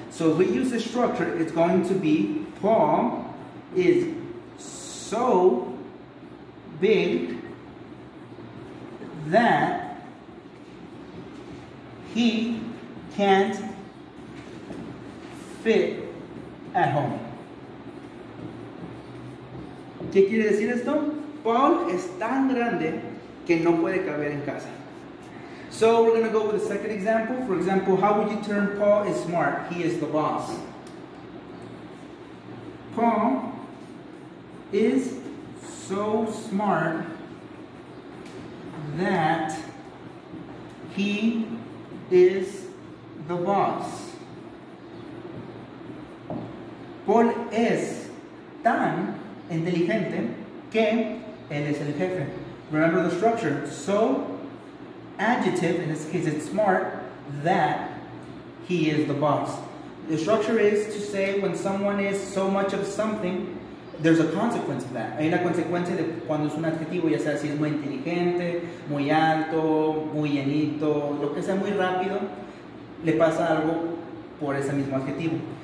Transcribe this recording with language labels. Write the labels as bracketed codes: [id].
[en] So if we use this structure, it's going to be Paul is so big that he can't fit at home. [es] ¿Qué quiere decir esto? Paul es tan grande que no puede caber en casa. [en] So we're gonna go with the second example. For example, how would you turn Paul is smart? He is the boss. Paul is so smart that he is the boss. [es] Paul es tan inteligente que él es el jefe. [en] Remember the structure. So, adjective, in this case it's smart, that he is the boss. The structure is to say when someone is so much of something, there's a consequence of that. [es] Hay una consecuencia de cuando es un adjetivo, ya sea si es muy inteligente, muy alto, muy llenito, lo que sea, muy rápido, le pasa algo por ese mismo adjetivo.